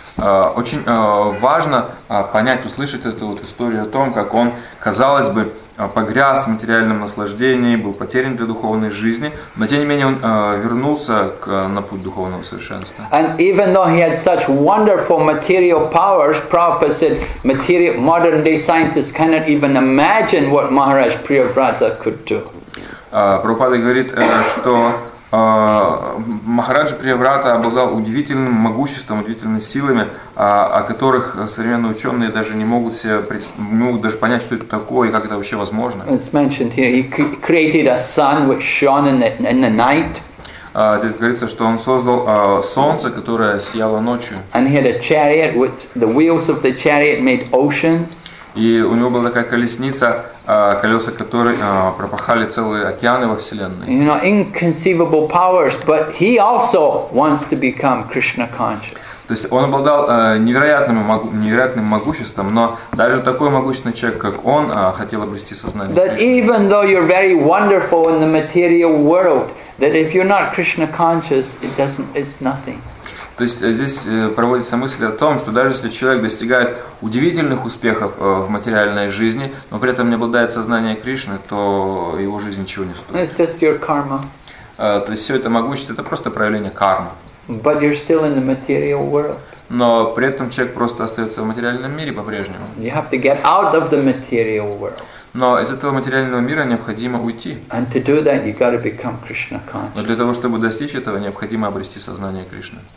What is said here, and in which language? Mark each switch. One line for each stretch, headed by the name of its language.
Russian: Очень важно понять, услышать эту вот историю о том, как он, казалось бы, погряз в материальном наслаждении, был потерян для духовной жизни, но тем не менее он вернулся на путь духовного совершенства.
English: And even though he had such wonderful material powers, Prabhupada said, modern day scientists cannot even imagine what Maharaj Priyavrata could do.
Russian: Прабхупада говорит, что Махарадж Приаврата обладал удивительным могуществом, удивительными силами, о которых современные ученые даже не могут себе даже понять, что это такое и как это вообще возможно.
English: It's mentioned here he created a sun which shone in the night.
Russian: Здесь говорится, что он создал солнце, которое сияло ночью.
English: And he had a chariot with the wheels of the chariot made oceans.
Russian: И у него была такая колесница, колеса которой пропахали целые океаны во Вселенной.
English: You know, inconceivable powers, but he also wants to become Krishna conscious.
Russian: То есть он обладал невероятным могуществом, но даже такой могущественный человек, как он, хотел обрести сознание.
English: That even though you're very wonderful in the material world, that if you're not Krishna conscious, it's nothing.
Russian: То есть здесь проводится мысль о том, что даже если человек достигает удивительных успехов в материальной жизни, но при этом не обладает сознанием Кришны, то его жизнь ничего не стоит.
English: It's just your karma.
Russian: То есть все это могущество — это просто проявление кармы.
English: But you're still in the material world.
Russian: Но при этом человек просто остается в материальном мире по-прежнему.
English: You have to get out of the material world.
Russian: Но из этого материального мира необходимо уйти.
English: And to do that, you got to become Krishna conscious.
Russian: Но для того, чтобы достичь этого, необходимо обрести сознание Кришны.